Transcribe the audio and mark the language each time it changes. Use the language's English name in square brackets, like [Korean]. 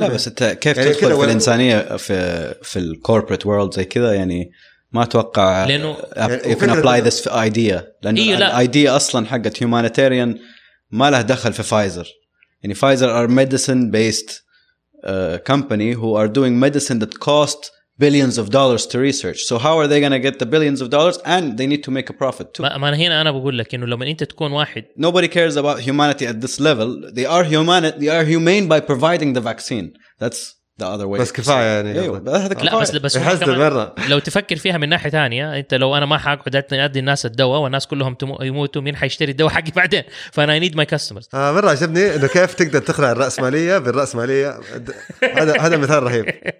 [Arabic] لا بس انت كيف يعني تدخل في الانسانيه في الكوربريت وورلد زي كذا يعني ما اتوقع لانه يمكن [English] apply this في idea [Arabic] لانه الايديا اصلا حقت [English] humanitarian [Arabic] ما له دخل في فايزر يعني [English] Pfizer are medicine best company who are doing medicine that cost billions of dollars to research. So how are they going to get the billions of dollars and they need to make a profit too. [Arabic] ما هنا انا بقول لك انه لما انت تكون واحد [English] nobody cares about humanity at this level. They are humane by providing the vaccine. That's the other way. [Arabic] بس كفايه يعني بس لو تفكر فيها من ناحيه ثانيه انت لو انا ما حاقعد ادي الناس الدواء والناس كلهم يموتوا مين حيشتري الدواء حقي بعدين فانا [English] I need my customers. [Arabic] مره عجبني انه كيف تقدر تخلع الراسماليه بالراسماليه هذا مثال رهيب.